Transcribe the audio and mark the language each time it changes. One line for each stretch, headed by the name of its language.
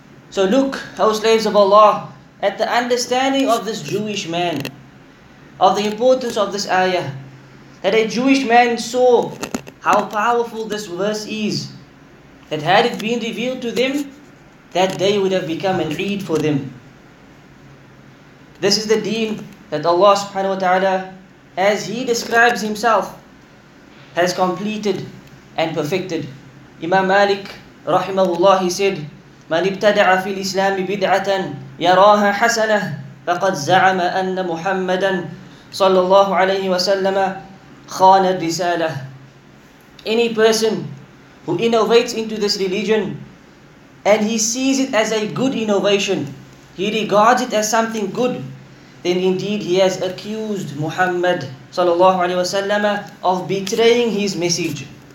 English: So look, O slaves of Allah, at the understanding of this Jewish man, of the importance of this ayah, that a Jewish man saw how powerful this verse is, that had it been revealed to them, that day would have become an Eid for them. This is the deen that Allah subhanahu wa ta'ala, as He describes Himself, has completed and perfected.
Arabic: Imam Malik rahimahullah,
English: he said,
Arabic: من ابتدع في الإسلام بدعة يراها حسنة فقد زعم أن محمدا صلى الله عليه وسلم خان الرسالة.
English: Any person who innovates into this religion and he sees it as a good innovation, he regards it as something good, then indeed he has accused Muhammad sallallahu alayhi wa sallam of betraying his message.